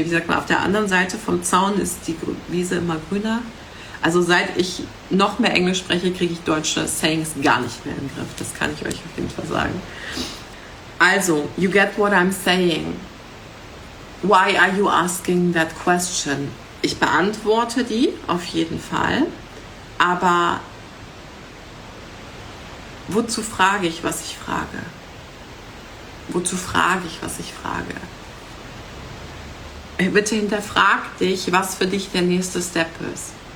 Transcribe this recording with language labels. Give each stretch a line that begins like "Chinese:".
German: Auf der anderen Seite vom Zaun ist die Wiese immer grüner. Also seit ich noch mehr Englisch spreche, kriege ich deutsche Sayings gar nicht mehr in den Griff. Das kann ich euch auf jeden Fall sagen.
English: Also, you get what I'm saying. Why are you asking that question?
German: Ich beantworte die auf jeden Fall. Aber wozu frage ich, was ich frage? Wozu frage ich, was ich frage? Bitte hinterfrag dich, was für dich der nächste Step ist.